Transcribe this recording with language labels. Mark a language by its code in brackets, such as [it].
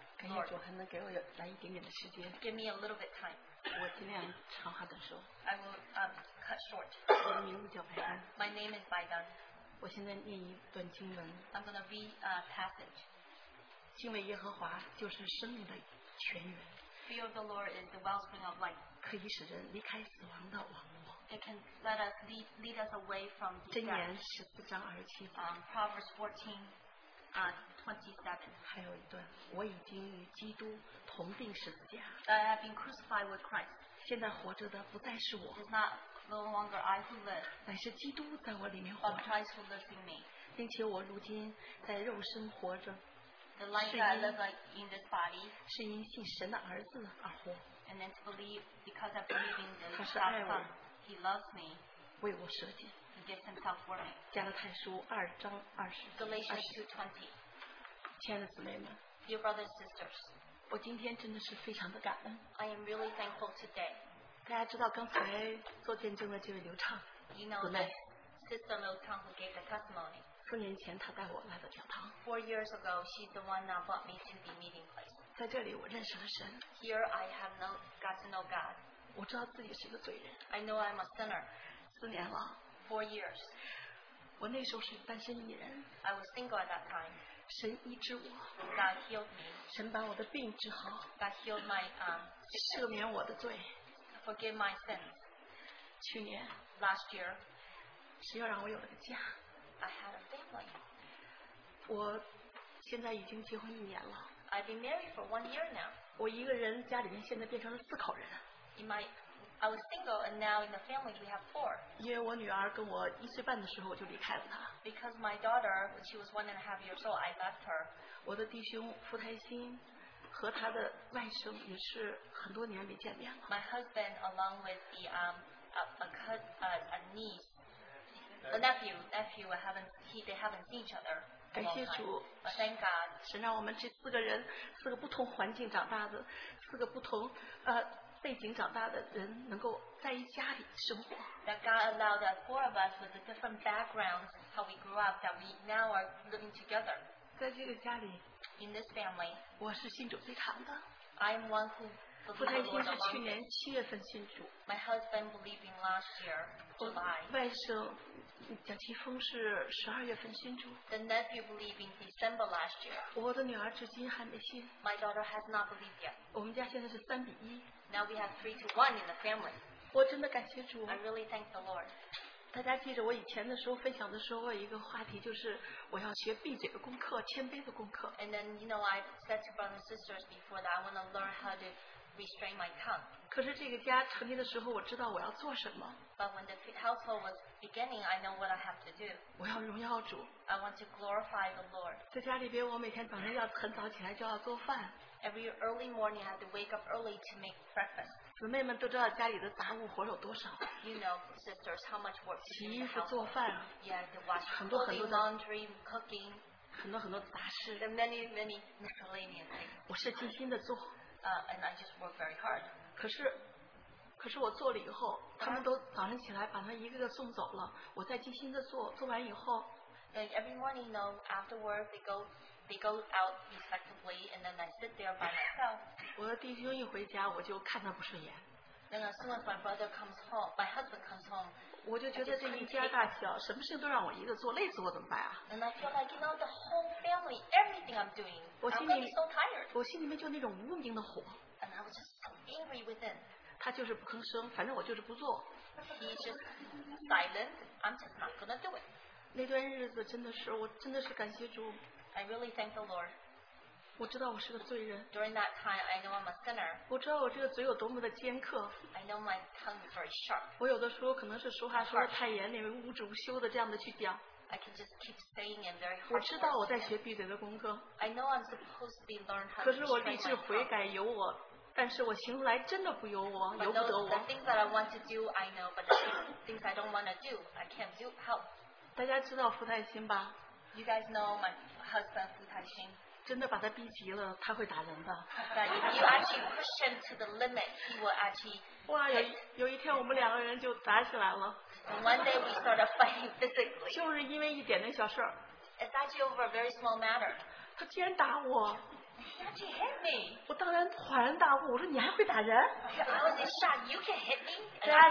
[zh] 感谢主，还能给我来一点点的时间。 [en] Give me a little bit time. [zh] 我尽量长话短说。 [en] I will cut short. [zh] 我的名字叫白丹。 [en] My name is 白丹。 [zh] 我现在念一段经文。 [en] I'm gonna read a passage. [zh] 敬畏耶和华就是生命的泉源。 [en] Fear of the Lord is the wellspring of life. [zh] 可以使人离开死亡的网络。 [en] It can let us lead us away from death. [zh] 箴言十四章二十七节。 [en] Proverbs 14. 27. [zh] 还有一段，我已经与基督同定十字架。 [en] That I have been crucified with Christ. [zh] 现在活着的不再是我。 [en] It's not no longer I who live. [zh] 乃是基督在我里面活着。 [en] But Christ who lives in me. [zh] 并且我如今在肉身活着。 [en] The life that I live in this body. [zh] 是因信神的儿子而活。 [en] And then to believe because I believe in the Son. He loves me. [zh] 为我舍己。 [en] Gives himself for me. Galatians 2:20. Galatians 2:20. [zh] 亲爱的姊妹们, [en] dear brothers and sisters. [zh] 我今天真的是非常的感恩。 [en] I am really thankful today. [zh] 大家知道刚才做见证的这位刘畅, [en] you know that Sister Liu Chang who gave the testimony. [zh] 4年前他带我来到教堂。 [en] 4 years ago, she's the one that brought me to the meeting place. [zh] 在这里我认识了神。 [en] Here I have no, got to know God. [zh] 我知道自己是个罪人。 [en] I know I'm a sinner. [zh] 4年了。 [en] 4 years. [zh] 我那时候是单身一人。 [en] I was single at that time. [zh] 神医治我, [en] God healed me. [zh] 神把我的病治好, [en] God healed my sickness. [zh] 赦免我的罪, [en] forgive my sins. [zh] 去年, [en] last year, [zh] 神要让我有了个家, [en] I had a family. [zh] 我现在已经结婚一年了, [en] I've been married for 1 year now. [zh] 我一个人家里面现在变成了四口人, [en] I was single and now in the family we have 4. [zh] 因为我女儿跟我1岁半的时候我就离开了她。 [en] Because my daughter, when she was 1.5 years old, I left her. [zh] 我的弟兄傅台新和他的外甥也是很多年没见面了。 [en] My husband along with the a niece, a nephew, they haven't seen each other. [zh] 感谢主, [en] but thank God. [zh] 神让我们这四个人,四个不同环境长大的,四个不同背景长大的人能够在一家里生活。 [en] That God allowed that 4 of us with a different background, how we grew up, that we now are living together. [zh] 在这个家里, [en] in this family, [zh] 我是信主最长的。 [en] I'm one who believed in the Lord. [zh] 傅太新是去年7月份信主。 [en] My husband believed in last year, July. [zh] 外甥蒋其峰是12月份信主。 [en] The nephew believed in December last year. [zh] 我的女儿至今还没信。 [en] My daughter has not believed yet. [zh] 我们家现在是3:1。 [en] Now we have 3-1 in the family. [zh] 我真的感谢主, [en] I really thank the Lord. [zh] 大家记得我以前的时候分享的时候，我有一个话题，就是我要学闭嘴的功课，谦卑的功课。 [en] And then, you know, I said to brothers and sisters before that I want to learn how to restrain my tongue. [zh] 可是这个家成立的时候，我知道我要做什么。 [en] But when the household was beginning, I know what I have to do. [zh] 我要荣耀主。 [en] I want to glorify the Lord. [zh] 在家里边，我每天早上要很早起来就要做饭。 [en] Every early morning, I have to wake up early to make breakfast. [zh] 姊妹们都知道家里的杂物活有多少。 [en] You know, sisters, how much work. [zh] 洗衣服、做饭。 [en] Yeah, to wash clothing, laundry, cooking. [zh] 很多很多杂事。 [en] The many, many miscellaneous things. [zh] 我是尽心的做。 [en] And I just work very hard. [zh] 可是我做了以后, 他们都早上起来把他一个个送走了, 我再精心的做, 做完以后, [en] and every morning, you know, after work, they go out respectively, and then I sit there by myself. [zh] 我的弟兄一回家, 我就看他不顺眼。 [en] Then as soon as my brother comes home, my husband comes home, [zh] 我就觉得这一家大小, 什么事都让我一个做, 累死我怎么办啊? [en] And I feel like, you know, the whole family, everything I'm doing, [zh] 我心里, [en] I'm going to be so tired. [zh] 我心里面就那种无名的火。 [en] And I was just so angry within. [zh] 他就是不吭声, 反正我就是不做。 [en] He's just silent. I'm just not going to do it. [zh] 那段日子真的是, 我真的是感谢主。 [en] I really thank the Lord. [zh] 我知道我是个罪人。 [en] During that time, I know I'm a sinner. [zh] 我知道我这个嘴有多么的尖刻。 [en] I know my tongue is very sharp. [zh] 我有的时候可能是说话说得太严厉，无止无休的这样的去讲。 [en] I can just keep saying it very hard. [zh] 我知道我在学闭嘴的功课。 [en] I know I'm supposed to be learned how to. [zh] 可是我立志悔改，由我。但是我行出来真的不由我, [en] but [zh] 由不得我。 [en] The things that I want to do, I know, but the things I don't want to do, I can't do help. [zh] 大家知道傅太新吧? [en] You guys know my husband, 傅太新. [zh] 真的把他逼急了, 他会打人的。 [en] But if you actually push him to the limit, he will actually. [zh] 哇, 有一天我们两个人就打起来了。 [en] One day we started fighting physically. [zh] 就是因为一点点小事儿。 [en] It's actually over a very small matter. [zh] 他竟然打我。 [en] He actually hit me. I was in shock. You can hit me? And I